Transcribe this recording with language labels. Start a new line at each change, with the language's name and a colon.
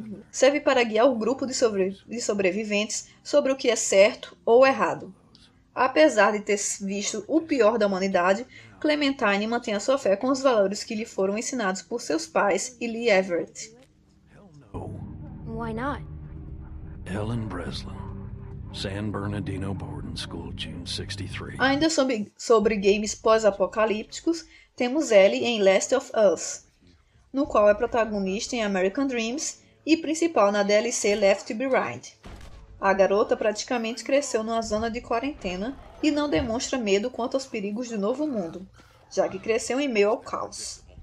Portuguese: Serve para guiar o grupo de sobreviventes sobre o que é certo ou errado. Apesar de ter visto o pior da humanidade, Clementine mantém a sua fé com os valores que lhe foram ensinados por seus pais e Lee Everett.
English: Why not? Ellen Breslin, San Bernardino Boarding School, June 63.
Portuguese: Ainda sobre games pós-apocalípticos, temos Ellie em Last of Us, no qual é protagonista em American Dreams e principal na DLC Left Behind. A garota praticamente cresceu numa zona de quarentena e não demonstra medo quanto aos perigos do novo mundo, já que cresceu em meio ao caos.